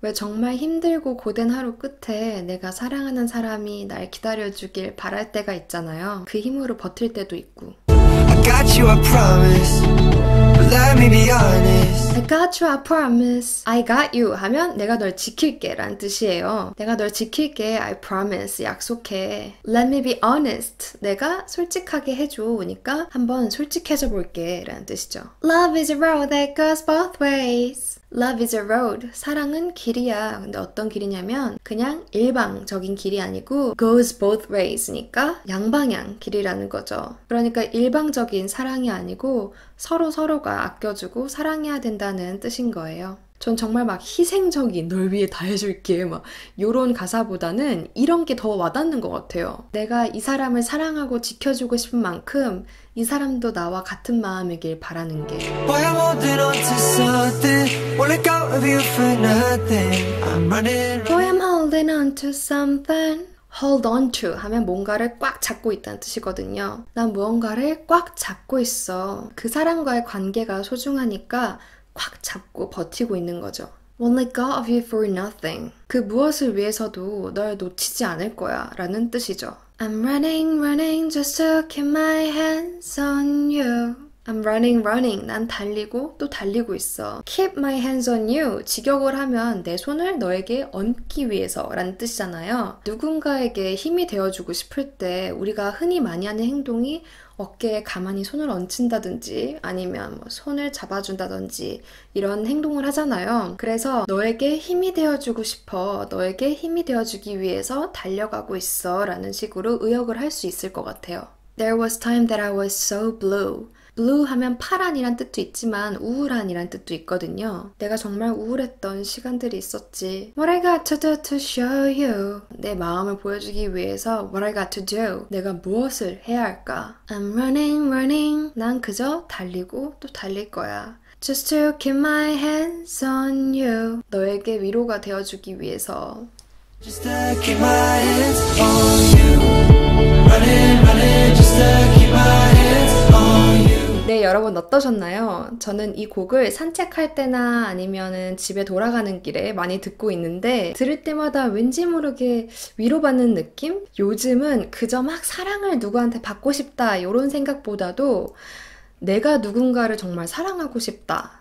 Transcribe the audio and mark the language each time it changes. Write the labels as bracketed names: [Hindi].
[Korean] 왜 정말 힘들고 고된 하루 끝에 내가 사랑하는 사람이 날 기다려주길 바랄 때가 있잖아요. 그 힘으로 버틸 때도 있고. [English] I got you, I promise. Let me be honest. I got you, I promise. I got you [Korean] 하면 내가 널 지킬게 라는 뜻이에요. 내가 널 지킬게, [English] I promise, [Korean] 약속해. [English] Let me be honest. [Korean] 내가 솔직하게 해줘. 그러니까 한번 솔직해져 볼게 라는 뜻이죠. [English] Love is a road that goes both ways. Love is a road. [Korean] 사랑은 길이야. 근데 어떤 길이냐면 그냥 일방적인 길이 아니고 [English] goes both ways [Korean] 니까 양방향 길이라는 거죠. 그러니까 일방적인 사랑이 아니고 서로 서로가 아껴주고 사랑해야 된다는 뜻인 거예요. 전 정말 막 희생적인 널 위해 다 해줄게 막 요런 가사보다는 이런 게더 와닿는 것 같아요. 내가 이 사람을 사랑하고 지켜주고 싶은 만큼 이 사람도 나와 같은 마음이길 바라는 게. [English] Why I'm holding on to something? Won't let go of you for nothing. I'm running, Why I'm holding on to something? Hold on to [Korean] 하면 뭔가를 꽉 잡고 있다는 뜻이거든요. 난 무언가를 꽉 잡고 있어. 그 사람과의 관계가 소중하니까 꽉 잡고 버티고 있는 거죠. [English] Won't let go of you for nothing. [Korean] 그 무엇을 위해서도 널 놓치지 않을 거야 라는 뜻이죠. [English] I'm running, running just to keep my hands on you. I'm running, running. [Korean] 난 달리고 또 달리고 있어. [English] Keep my hands on you. [Korean] 직역을 하면 내 손을 너에게 얹기 위해서라는 뜻이잖아요. 누군가에게 힘이 되어주고 싶을 때 우리가 흔히 많이 하는 행동이 어깨에 가만히 손을 얹힌다든지 아니면 뭐 손을 잡아준다든지 이런 행동을 하잖아요. 그래서 너에게 힘이 되어주고 싶어. 너에게 힘이 되어주기 위해서 달려가고 있어라는 식으로 의역을 할수 있을 것 같아요. [English] There was time that I was so blue. [Korean] Blue 하면 파란이란 뜻도 있지만 우울한이란 뜻도 있거든요. 내가 정말 우울했던 시간들이 있었지. [English] What I got to do to show you. [Korean] 내 마음을 보여주기 위해서 [English] What I got to do. [Korean] 내가 무엇을 해야 할까? [English] I'm running, running. [Korean] 난 그저 달리고 또 달릴 거야. [English] Just to keep my hands on you. [Korean] 너에게 위로가 되어주기 위해서. [English] Just to keep my hands on you. Running, running, just to keep my hands on you. [Korean] 네, 여러분 어떠셨나요? 저는 이 곡을 산책할 때나 아니면은 집에 돌아가는 길에 많이 듣고 있는데 들을 때마다 왠지 모르게 위로받는 느낌? 요즘은 그저 막 사랑을 누구한테 받고 싶다 이런 생각보다도 내가 누군가를 정말 사랑하고 싶다.